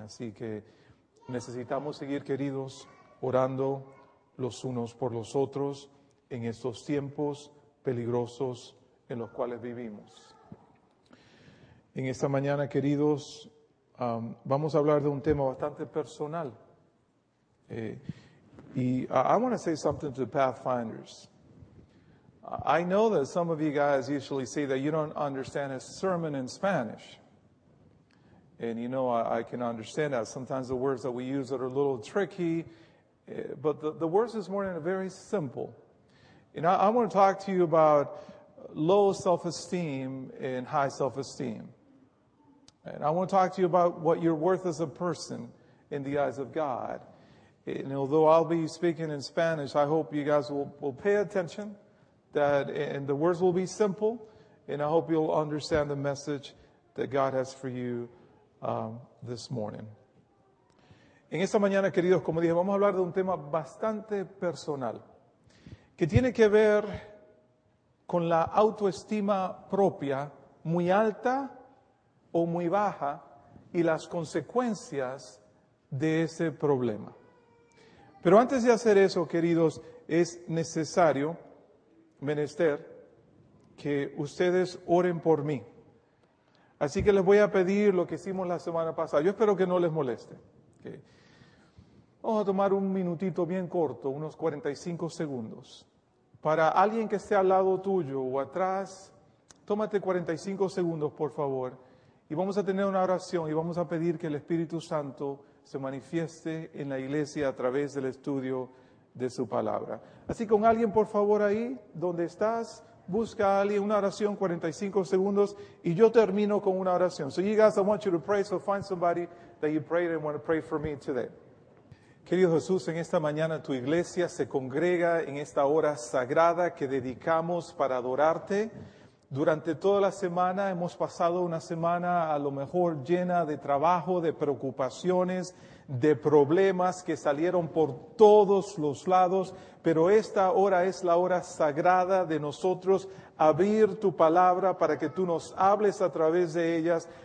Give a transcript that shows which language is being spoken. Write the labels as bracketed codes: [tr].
[es] Así que necesitamos seguir, queridos, orando los unos por los otros en estos tiempos peligrosos en los cuales vivimos. En esta mañana, queridos, vamos a hablar de un tema bastante personal. [en] I want to say something to the Pathfinders. I know that some of you guys usually say that you don't understand a sermon in Spanish. And you know, I can understand that. Sometimes the words that we use are a little tricky, but the words this morning are very simple. And I want to talk to you about low self-esteem and high self-esteem. And I want to talk to you about what you're worth as a person in the eyes of God. And although I'll be speaking in Spanish, I hope you guys will pay attention, that and the words will be simple, and I hope you'll understand the message that God has for you this morning. [es] En esta mañana, queridos, como dije, vamos a hablar de un tema bastante personal que tiene que ver con la autoestima propia, muy alta o muy baja, y las consecuencias de ese problema. Pero antes de hacer eso, queridos, es necesario, menester, que ustedes oren por mí. Así que les voy a pedir lo que hicimos la semana pasada. Yo espero que no les moleste. ¿Okay? Vamos a tomar un minutito bien corto, unos 45 segundos. Para alguien que esté al lado tuyo o atrás, tómate 45 segundos, por favor. Y vamos a tener una oración y vamos a pedir que el Espíritu Santo se manifieste en la iglesia a través del estudio de su palabra. Así con alguien, por favor, ahí donde estás, busca a alguien, una oración, 45 segundos, y yo termino con una oración. [en] So you guys, I want you to pray, so find somebody that you prayed and want to pray for me today. [es] Querido Jesús, en esta mañana tu iglesia se congrega en esta hora sagrada que dedicamos para adorarte. Durante toda la semana hemos pasado una semana a lo mejor llena de trabajo, de preocupaciones, de problemas que salieron por todos los lados, pero esta hora es la hora sagrada de nosotros abrir tu palabra para que tú nos hables a través de ellas.